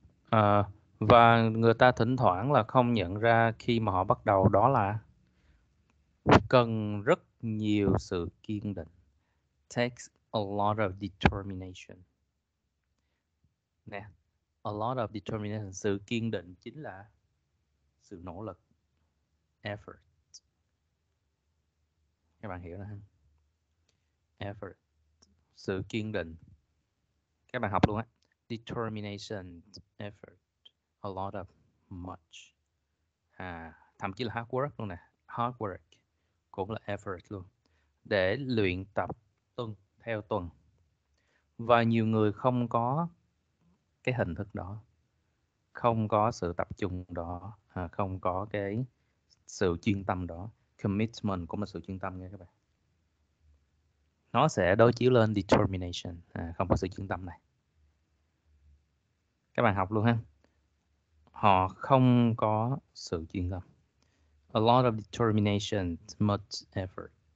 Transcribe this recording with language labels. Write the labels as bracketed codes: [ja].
[vi] À, và người ta thỉnh thoảng là không nhận ra khi mà họ bắt đầu, đó là cần rất nhiều sự kiên định. [en] Takes a lot of determination. [vi] Nè, [en] a lot of determination, [vi] sự kiên định chính là sự nỗ lực, effort. Các bạn hiểu rồi không? Effort, sự kiên định. Các bạn học luôn á. [en] Determination, effort, a lot of, much. [vi] À, thậm chí là hard work luôn nè. Hard work cũng là effort luôn. Để luyện tập tuần theo tuần. Và nhiều người không có cái hình thức đó. Không có sự tập trung đó. À, không có cái sự chuyên tâm đó. Commitment cũng là sự chuyên tâm nha các bạn. Nó sẽ đối chiếu lên determination. À, không có sự chuyên tâm này. Các bạn học luôn ha. Họ không có sự chuyên tâm. [en] A lot of determination, much effort.